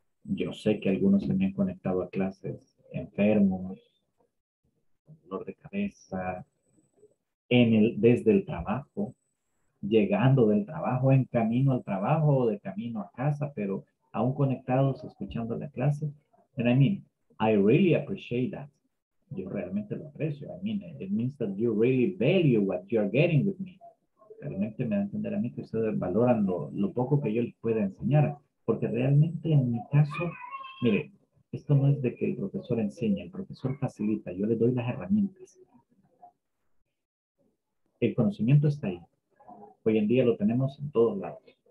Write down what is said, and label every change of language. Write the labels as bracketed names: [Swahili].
[Spanish] Yo sé que algunos se me han conectado a clases enfermos, con dolor de cabeza, desde el trabajo, llegando del trabajo, en camino al trabajo o de camino a casa, pero aún conectados, escuchando la clase. [English] And I mean, I really appreciate that. [Spanish] Yo realmente lo aprecio. [English] I mean, it means that you really value what you are getting with me. [Spanish] Realmente me da a entender a mí que ustedes valoran lo poco que yo les pueda enseñar. Porque realmente en mi caso, mire, esto no es de que el profesor enseñe, el profesor facilita, yo le doy las herramientas. El conocimiento está ahí. Hoy en día lo tenemos en todos lados.